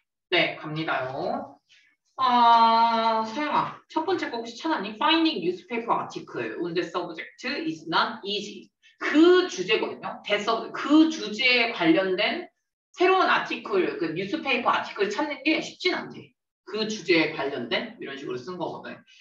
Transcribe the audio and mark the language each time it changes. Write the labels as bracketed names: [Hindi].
[Korean] 네, 갑니다요. 아, 서영아, 첫 번째 거 혹시 찾았니? [English] Finding newspaper article on the subject is not easy. [Korean] 그 주제거든요. 그 주제에 관련된 새로운 아티클, 그 뉴스페이퍼 아티클 찾는 게 쉽진 않대. 그 주제에 관련된 이런 식으로 쓴 거거든.